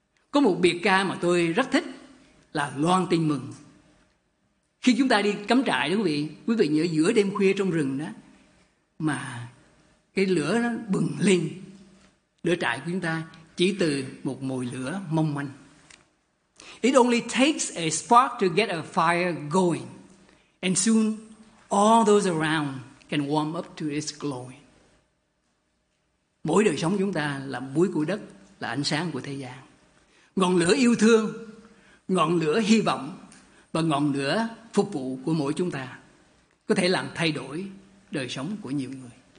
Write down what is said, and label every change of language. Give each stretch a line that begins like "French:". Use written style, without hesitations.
Vietnamese: Có một biệt ca mà tôi rất thích là Loan Tin Mừng. Khi chúng ta đi cắm trại đó quý vị nhớ giữa đêm khuya trong rừng đó, mà cái lửa nó bừng lên, lửa trại của chúng ta chỉ từ một mồi lửa mong manh.
English: It only takes a spark to get a fire going, and soon all those around can warm up to its glow.
Vietnamese: Mỗi đời sống chúng ta là muối của đất, là ánh sáng của thế gian. Ngọn lửa yêu thương, ngọn lửa hy vọng và ngọn lửa phục vụ của mỗi chúng ta có thể làm thay đổi đời sống của nhiều người.